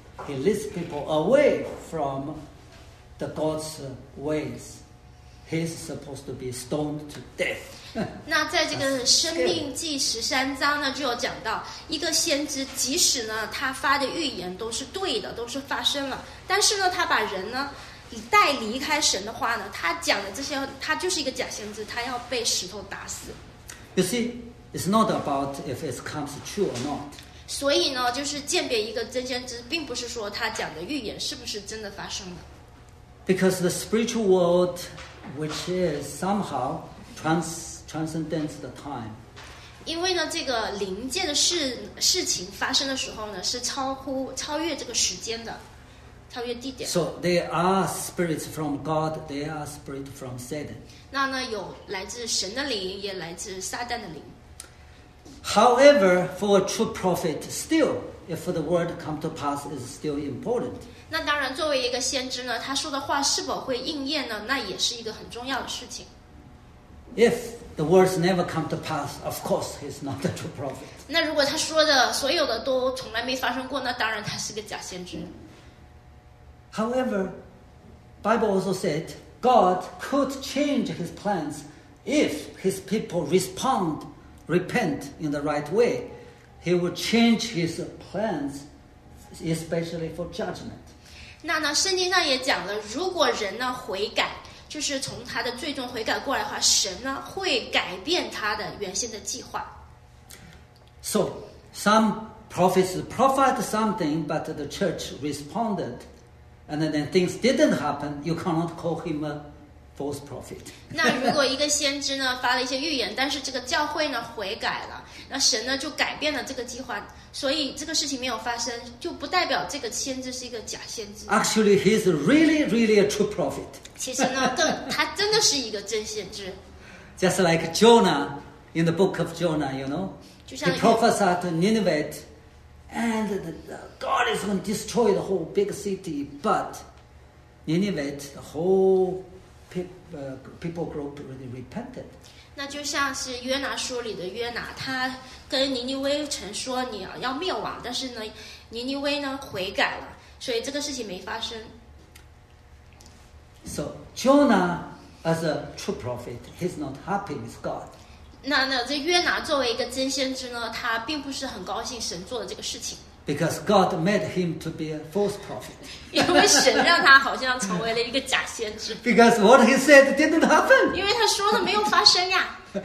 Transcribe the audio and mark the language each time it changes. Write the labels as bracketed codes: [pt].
[en] He leads people away from the God's ways. He's supposed to be stoned to death. [zh] 那在这个《生命记》十三章呢，就有讲到，一个先知即使呢他发的预言都是对的，都是发生了，但是呢他把人呢一带离开神的话呢，他讲的这些，他就是一个假先知，他要被石头打死。 [en] You see, it's not about if it comes true or not. [zh] 所以呢，就是鉴别一个真先知，并不是说他讲的预言是不是真的发生了。 [en] Because the spiritual world, which is somehow transcends the time. [zh] 因为呢，这个灵界的事情发生的时候呢，是超越这个时间的，超越地点。 [en] So there are spirits from God, there are spirits from Satan. [zh] 那呢，有来自神的灵，也来自撒旦的灵。 [en] However, for a true prophet, still, if the word come to pass, is still important. [zh] 那当然，作为一个先知呢，他说的话是否会应验呢？那也是一个很重要的事情。 [en] If the words never come to pass, of course, he's not a true prophet. [zh] 那如果他说的所有的都从来没发生过，那当然他是个假先知。 [en] However, Bible also said God could change His plans if His people respond, repent in the right way. He will change His plans, especially for judgment. [zh] 那呢，圣经上也讲了，如果人呢悔改，就是从他的罪中悔改过来的话，神呢会改变他的原先的计划。 [en] So some prophets prophesied something, but the church responded. And then things didn't happen, you cannot call him a false prophet. [zh] 那如果一个先知呢发了一些预言，但是这个教会呢悔改了，那神呢就改变了这个计划，所以这个事情没有发生，就不代表这个先知是一个假先知。 [en] Actually, he's really, really a true prophet. [zh] 其实呢，他真的是一个真先知。 [en] Just like Jonah in the book of Jonah, you know, he prophesied to Nineveh. And God is going to destroy the whole big city, but Nineveh, the whole people group really repented. [zh] 那就像是约拿书里的约拿，他跟尼尼微城说你要灭亡，但是呢，尼尼微呢悔改了，所以这个事情没发生。 [en] So Jonah, as a true prophet, he's not happy with God. [zh] 那这约拿作为一个真先知呢，他并不是很高兴神做的这个事情。 [en] Because God made him to be a false prophet. [zh] 因为神让他好像成为了一个假先知。 [en] Because what he said didn't happen. [zh] 因为他说的没有发生呀。